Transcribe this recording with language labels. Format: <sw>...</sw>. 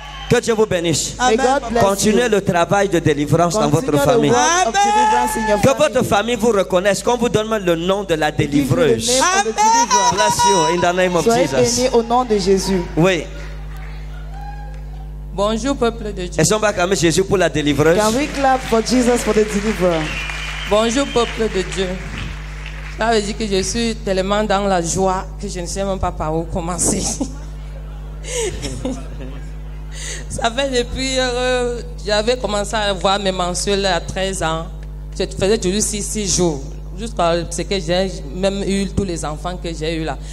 <fr>Que Dieu vous bénisse. Continuez le travail de délivrance dans votre famille. Que votre famille vous reconnaisse. Qu'on vous donne le nom de la délivreuse.</fr> <en>Bless you in the name of Jesus.</en> <fr>Soyez bénis au nom de Jésus. Oui. Bonjour peuple de Dieu. Est-ce qu'on va acclamer Jésus pour la délivreuse?</fr> <en>Can we clap for Jesus for the deliverer?</en> <fr>Bonjour peuple de Dieu. Ça veut dire que je suis tellement dans la joie que je ne sais même pas par où commencer. Ça fait depuis, j'avais commencé à voir mes mensuels à 13 ans. Je faisais toujours 6 jours. Jusqu'à ce que j'ai même eu tous les enfants que j'ai eu là.</fr>